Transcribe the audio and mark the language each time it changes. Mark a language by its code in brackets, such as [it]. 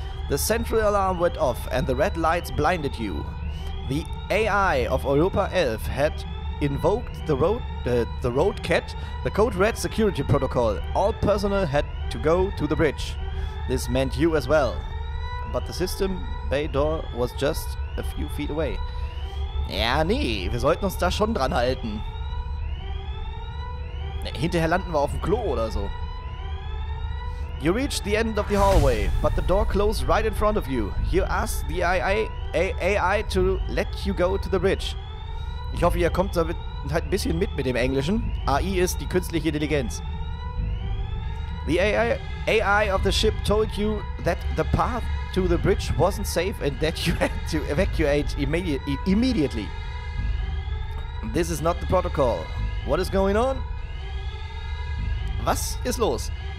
[en] The central alarm went off and the red lights blinded you. The AI of Europa 11 had invoked the road cat, the code red security protocol. All personnel had to go to the bridge. This meant you as well. But the system bay door was just a few feet away. [de] Ja, nee, wir sollten uns da schon dran halten. Hinterher landen wir auf dem Klo oder so. [en] You reached the end of the hallway, but the door closed right in front of you. You asked the AI to let you go to the bridge. [de] Ich hoffe, ihr kommt damit halt ein bisschen mit dem Englischen. AI ist die künstliche Intelligenz. [en] The AI of the ship told you that the path to the bridge wasn't safe and that you had to evacuate immediately. This is not the protocol. What is going on? [de] Was ist los?